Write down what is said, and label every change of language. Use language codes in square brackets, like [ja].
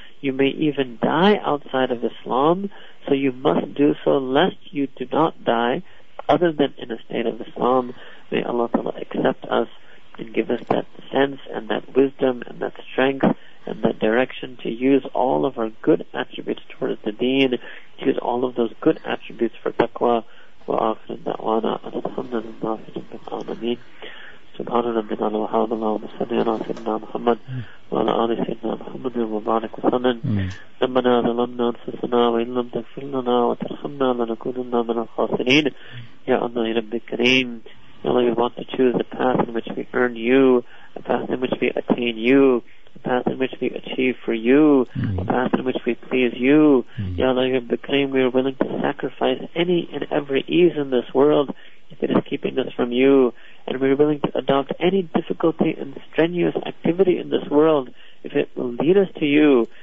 [en] You may even die outside of Islam, so you must do so lest you do not die other than in a state of Islam. May Allah Ta'ala accept us and give us that sense and that wisdom and that strength and that direction to use all of our good attributes towards the deen, use all of those good attributes for taqwa. [ar] وآخر دعوانا أن الحمد لله في رب العالمين سبحان ربنا وحمد الله وصلى على سيدنا محمد وعلى آل سيدنا محمد المبارك وسلم ربنا ظلمنا أنفسنا وإن لم تغفر لنا وترحمنا لنكونن من الخاسرين يا الله يا رب الكريم. [en] Allah, we want to choose a path in which we earn You, a path in which we attain You, a path in which we achieve for You, a path in which we please You. Ya Allah, You have declared we are willing to sacrifice any and every ease in this world if it is keeping us from You, and we are willing to adopt any difficulty and strenuous activity in this world if it will lead us to You.